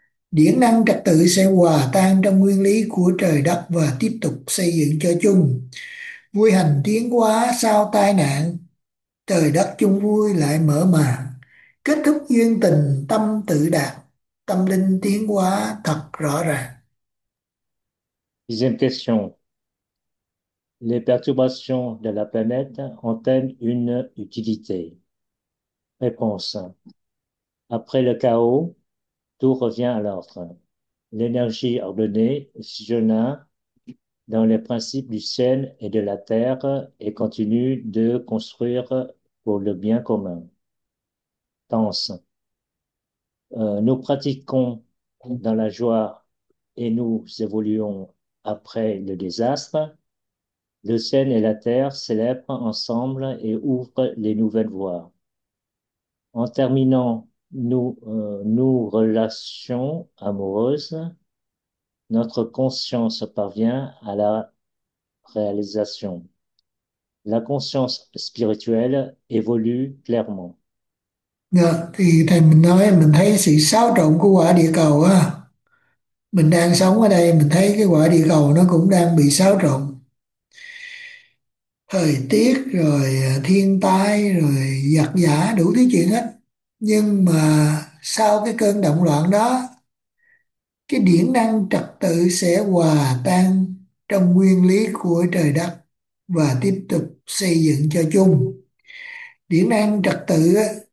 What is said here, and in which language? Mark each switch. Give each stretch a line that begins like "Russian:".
Vietnamese: Điện năng trật tự sẽ hòa tan trong nguyên lý của trời đất và tiếp tục xây dựng cho chung. Vui hành tiến hóa sau tai nạn, trời đất chung vui lại mở màn. Kết thúc duyên tình tâm tự đạt, tâm linh tiến hóa thật rõ ràng.
French: Deuxième question. Les perturbations de la planète ont-elles une utilité? Réponse. Après le chaos, Tout revient à l'ordre. L'énergie ordonnée sillonna dans les principes du ciel et de la terre et continue de construire pour le bien commun. Pense. Nous pratiquons dans la joie et nous évoluons après le désastre. Le ciel et la terre célèbrent ensemble et ouvrent les nouvelles voies. En terminant, nous relations amoureuses, notre conscience parvient à la réalisation. La conscience spirituelle évolue clairement.
Vietnamese: Yeah, thì thầy mình nói mình thấy sự xáo trộn của quả địa cầu á, mình đang sống ở đây mình thấy cái quả địa cầu nó cũng đang bị xáo thời tiết rồi thiên tai rồi giặc giả đủ thứ chuyện hết, nhưng mà sau cái cơn động loạn đó cái điển năng trật tự sẽ hòa tan trong nguyên lý của trời đất và tiếp tục xây dựng cho chung điển năng trật tự á.